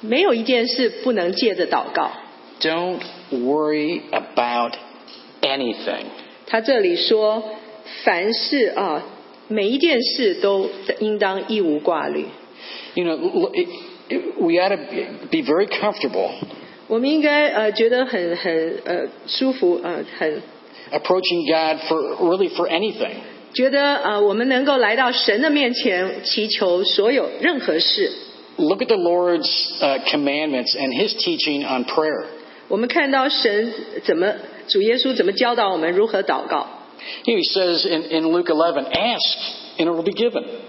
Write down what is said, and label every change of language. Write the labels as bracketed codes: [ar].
[zh] 所以这个章节来激励我们，鼓励我们说，我们凡事没有一件事不能借着祷告。 [en] Don't worry about anything. [zh] 他这里说，凡事啊。每一件事都应当一无挂虑。 [en] You know, we ought to be very comfortable. [zh] 我们应该觉得很舒服，很 [en] approaching God for really for anything. [zh] 觉得我们能够来到神的面前祈求所有任何事。 [en] Look at the Lord's commandments and His teaching on prayer. [zh] 我们看到神怎么，主耶稣怎么教导我们如何祷告。 [en] He says in Luke 11, ask and it will be given.